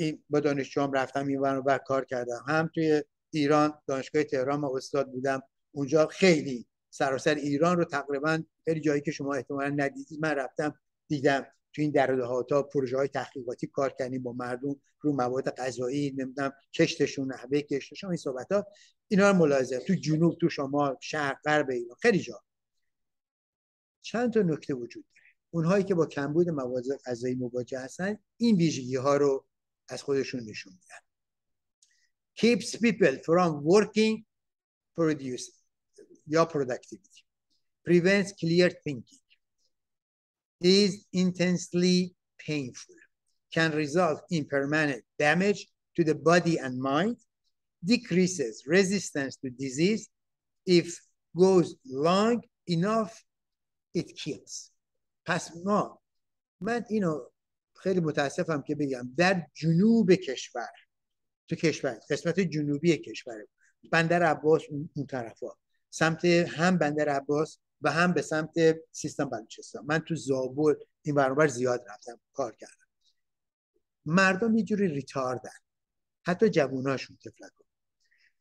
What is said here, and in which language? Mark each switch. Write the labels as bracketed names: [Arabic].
[Persian] با دانشجوام رفتم این و کار کردم، هم توی ایران دانشگاه تهران ما استاد بودم، اونجا خیلی سراسر ایران رو تقریبا هر جایی که شما احتمالا ندیدید من رفتم دیدم، تو این دردهاتا پروژه های تحقیقاتی کار کردیم با مردم رو مواد غذایی، نمیدونم کشتشون، نحوه کشتشون، این صحبت ها اینا رو ملاحظه تو جنوب، تو شمال، شرق، غرب ایران، خیلی جا. چند تا نکته وجود داره، اونهایی که با کمبود مواد غذایی مواجه هستن این ویژگی ها رو از خودشون نشون میدن. [English] keeps people from working produce یا productivity, prevents clear thinking, is intensely painful, can result in permanent damage to the body and mind, decreases resistance to disease, if goes long enough it kills. [Persian] پس ما، من اینو خیلی متاسفم که بگم، در جنوب کشور، تو کشور قسمت جنوبی کشور بندر عباس، اون طرفا سمت هم بندر عباس و هم به سمت سیستان بلوچستان، من تو زابل این برابر زیاد رفتم کار کردم، مردم یه جوری ریتاردن، حتی جووناشون تفلک، و